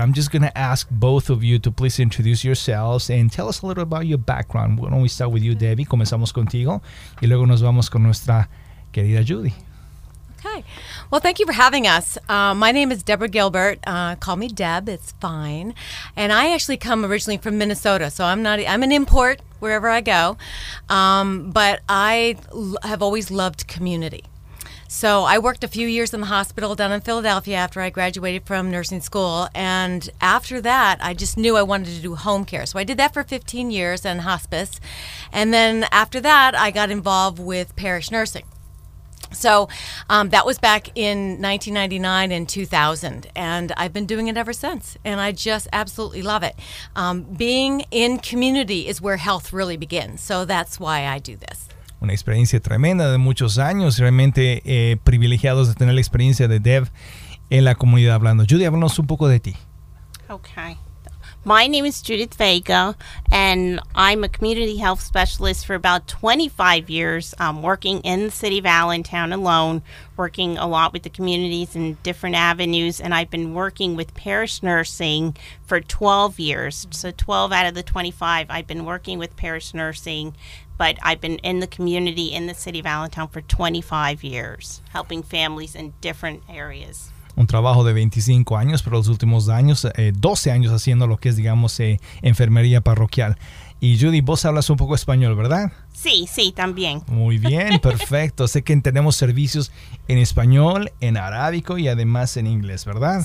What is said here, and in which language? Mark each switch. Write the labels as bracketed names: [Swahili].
[English] I'm just going to ask both of you to please introduce yourselves and tell us a little about your background. Why don't we start with you, Debbie? [Spanish] Comenzamos contigo y luego nos vamos con nuestra querida Judy. [English] Okay. Well, thank you for having us. My name is Deborah Gilbert. Call me Deb. It's fine. And I actually come originally from Minnesota, so I'm an import wherever I go. But I have always loved community. So I worked a few years in the hospital down in Philadelphia after I graduated from nursing school. And after that, I just knew I wanted to do home care. So I did that for 15 years in hospice. And then after that, I got involved with parish nursing. So that was back in 1999 and 2000. And I've been doing it ever since. And I just absolutely love it. Being in community is where health really begins. So that's why I do this. [Spanish] Una experiencia tremenda de muchos años, realmente privilegiados de tener la experiencia de Deb en la comunidad hablando. Judy, háblanos un poco de ti. [English] Okay. My name is Judith Vega, and I'm a community health specialist for about 25 years, working in the city of Allentown alone, working a lot with the communities in different avenues, and I've been working with parish nursing for 12 years. So 12 out of the 25, I've been working with parish nursing, but I've been in the community in the city of Allentown for 25 years, helping families in different areas. [Spanish] Un trabajo de 25 años, pero los últimos años, 12 años haciendo lo que es, digamos, enfermería parroquial. Y Judy, vos hablas un poco español, ¿verdad? Sí, sí, también. Muy bien, perfecto. Sé que tenemos servicios en español, en arábico y además en inglés, ¿verdad?